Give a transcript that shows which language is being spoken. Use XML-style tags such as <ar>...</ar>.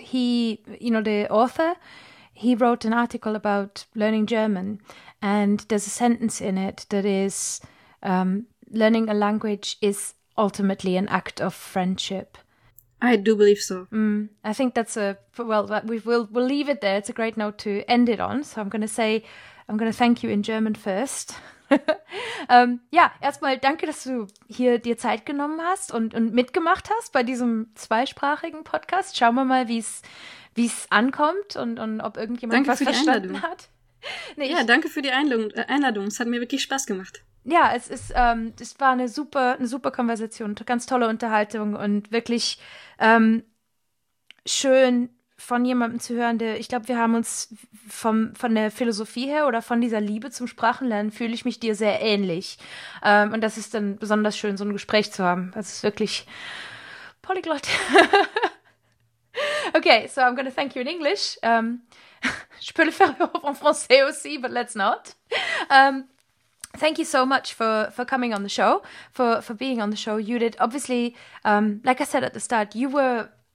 <en>He, you know, the author, he wrote an article about learning German, and there's a sentence in it that is, learning a language is ultimately an act of friendship. I do believe so. Mm, I think that's we'll leave it there. It's a great note to end it on. So I'm going to thank you in German first.</en> <de>ja, erstmal danke, dass du hier dir Zeit genommen hast und mitgemacht hast bei diesem zweisprachigen Podcast. Schauen wir mal, wie es ankommt und ob irgendjemand danke was verstanden Einladung. Hat. Nee, ja, danke für die Einladung. Es hat mir wirklich Spaß gemacht. Ja, es ist, es war eine super Konversation, ganz tolle Unterhaltung und wirklich schön von jemandem zu hören, der, ich glaube, wir haben uns von der Philosophie her oder von dieser Liebe zum Sprachenlernen fühle ich mich dir sehr ähnlich. Und das ist dann besonders schön, so ein Gespräch zu haben. Das ist wirklich Polyglott.</de> <en>Okay, so I'm gonna thank you in English.</en> <fr>Je peux le faire en français aussi,</fr> <en>but let's not. Thank you so much for coming on the show, for being on the show, Judith. Obviously, like I said at the start, you were</en>